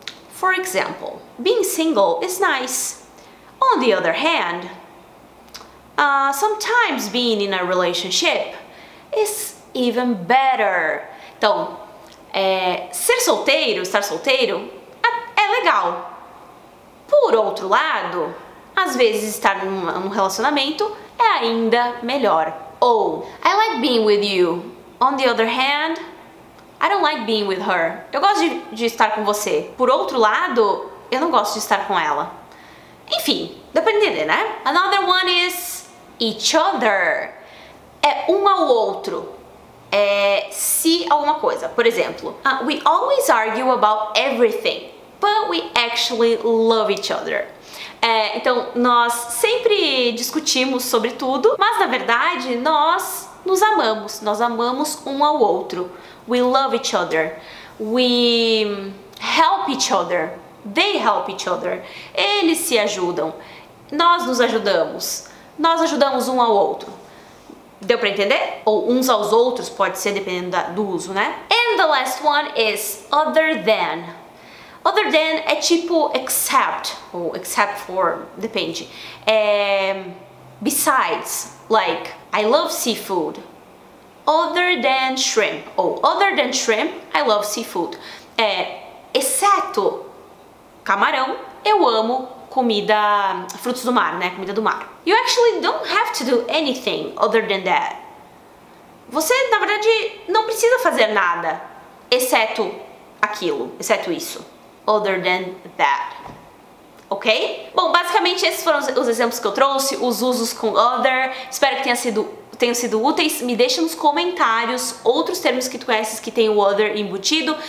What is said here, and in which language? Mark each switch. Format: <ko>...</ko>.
<en>For example, being single is nice. On the other hand, sometimes being in a relationship is even better.</en> <pt>Então, ser solteiro, estar solteiro, é legal. Por outro lado, às vezes estar num relacionamento é ainda melhor.</pt> <en>Ou, I like being with you. On the other hand, I don't like being with her.</en> <pt>Eu gosto de estar com você. Por outro lado, eu não gosto de estar com ela. Enfim, dá pra entender, né?</pt> <en>Another one is each other,</en> <pt>é um ao outro, é se alguma coisa. Por exemplo,</pt> <en>we always argue about everything, but we actually love each other.</en> <pt>É, então, nós sempre discutimos sobre tudo, mas na verdade nós nos amamos, nós amamos um ao outro.</pt> <en>We love each other,</en> <pt>we help each other, they help each other, eles se ajudam, nós nos ajudamos. Nós ajudamos um ao outro. Deu pra entender? Ou uns aos outros, pode ser, dependendo do uso, né?</pt> <en>And the last one is other than. Other than é tipo except, ou except for, depende. É, besides, like, I love seafood. Other than shrimp. Ou other than shrimp, I love seafood.</en> <pt>É, exceto camarão, eu amo comida, frutos do mar, né? Comida do mar.</pt> <en>You actually don't have to do anything other than that.</en> <pt>Você, na verdade, não precisa fazer nada, exceto aquilo, exceto isso.</pt> <en>Other than that.</en> <pt>Ok? Bom, basicamente esses foram os exemplos que eu trouxe, os usos com other. Espero que tenham sido úteis. Me deixa nos comentários outros termos que tu conheces que tem o other embutido.</pt>